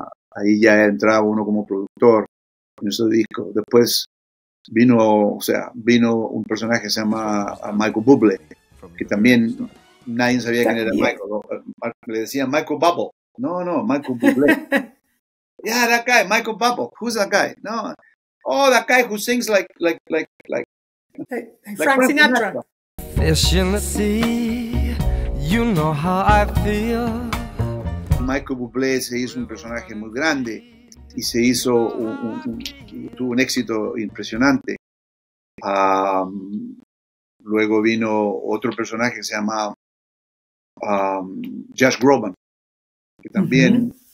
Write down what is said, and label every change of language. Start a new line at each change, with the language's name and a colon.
Spanish: Ahí ya entraba uno como productor en ese disco. Después vino un personaje que se llama Michael Bublé, que también nadie sabía quién era Michael. Le decían Michael Bublé.
English: No, Michael Bublé. Yeah, that guy, Michael Bublé. Who's that guy? No. Oh, that guy who sings like Frank Sinatra. Fish in the sea, you know how I feel.
Spanish: Michael Bublé se hizo un personaje muy grande y se hizo tuvo un éxito impresionante. Luego vino otro personaje que se llama Josh Groban, que también uh-huh.